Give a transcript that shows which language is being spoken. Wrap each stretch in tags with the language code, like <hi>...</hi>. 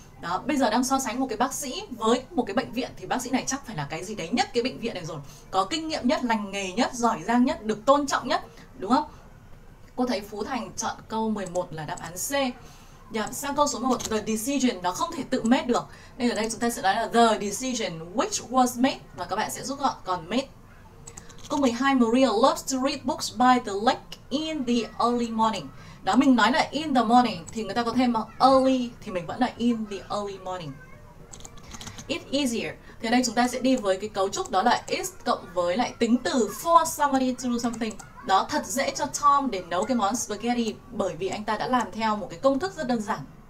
<vi>Đó, bây giờ đang so sánh một cái bác sĩ với một cái bệnh viện thì bác sĩ này chắc phải là cái gì đấy nhất cái bệnh viện này rồi, có kinh nghiệm nhất, lành nghề nhất, giỏi giang nhất, được tôn trọng nhất, đúng không? Cô thấy Phú Thành chọn câu 11 là đáp án C. Sang câu số 1, the decision nó không thể tự made được, nên ở đây chúng ta sẽ nói là</vi> <en>the decision which was made,</en> <vi>và các bạn sẽ rút gọn còn made. Câu 12,</vi> <en>Maria loves to read books by the lake in the early morning.</en> <vi>Đó, mình nói là in the morning thì người ta có thêm early thì mình vẫn là in the early morning.</vi> <en>It easier.</en> <vi>Thì ở đây chúng ta sẽ đi với cái cấu trúc đó là is cộng với lại tính từ for somebody to do something. Đó, thật dễ cho Tom để nấu cái món spaghetti bởi vì anh ta đã làm theo một cái công thức rất đơn giản.</vi>